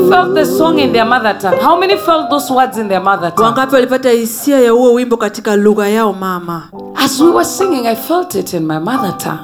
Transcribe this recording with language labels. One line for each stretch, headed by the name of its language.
English: The song in their mother tongue. How many felt those words in their mother tongue?
Swahili: Wangapi walipata hisia ya huo wimbo katika lugha yao mama?
English: As we were singing, I felt it in my mother tongue.